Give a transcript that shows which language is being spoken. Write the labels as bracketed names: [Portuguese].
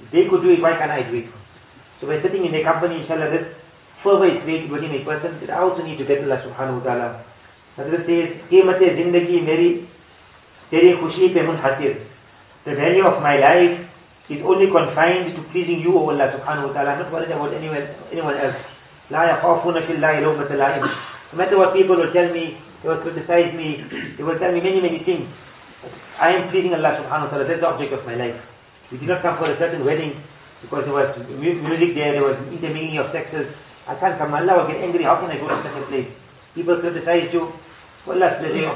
[English] They could do it, why can't I do it? So by sitting in the company, inshallah, this fervor is created within a person that I also need to get Allah Subhanahu Wa Ta'ala. [Urdu] حضرت قیمت زندگی میری تیری خوشی پہ منحصر. [English] The value of my life is only confined to pleasing you, O Allah Subhanahu Wa Ta'ala. I'm not worried about anyone else. [Arabic] لا يخافون في الله لومة لائم. [English] No matter what people will tell me, they will criticize me, they will tell me many, many things. I am pleasing Allah Subhanahu Wa Ta'ala. That's the object of my life. We did not come for a certain wedding because there was music there, there was intermingling of sexes. I can't come. Allah will get angry. How can I go to a certain place? People criticize you. Well, that's the thing.